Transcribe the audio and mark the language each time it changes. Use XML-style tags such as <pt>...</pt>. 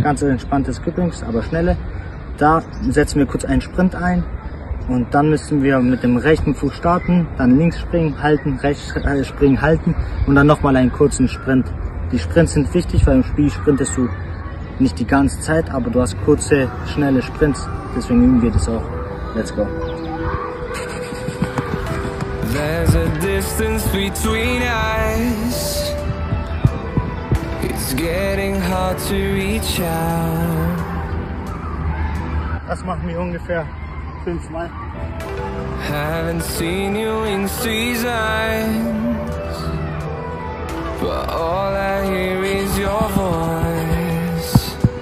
<de>Ganz entspanntes Kippings, aber schnelle. Da setzen wir kurz einen Sprint ein und dann müssen wir mit dem rechten Fuß starten, dann links springen, halten, rechts springen, halten und dann nochmal einen kurzen Sprint. Die Sprints sind wichtig, weil im Spiel sprintest du nicht die ganze Zeit, aber du hast kurze, schnelle Sprints, deswegen üben wir das auch.</de> <en>Let's go. There's a distance between us. It's getting hard to reach out.</en> <de>Das machen wir ungefähr 5 Mal.</de> <en>Haven't seen you in seasons, but all I hear is your voice.</en>